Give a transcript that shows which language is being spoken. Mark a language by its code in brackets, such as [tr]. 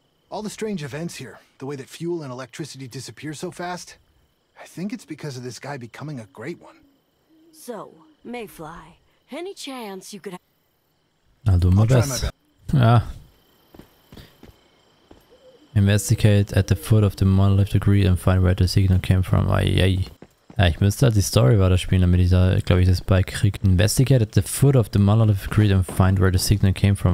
[en] All the strange events here, the way that fuel and electricity disappear so fast, I think it's because of this guy becoming a great one. So, Mayfly, any chance you could have... I'll do my best. Yeah. Investigate at the foot of the monolithic reed and find where the signal came from. Ayayay. [de] Ja, ich müsste halt die Story weiter spielen, damit ich da, glaube ich, das Bike kriege. [en] Investigate at the foot of the monolith grid and find where the signal came from.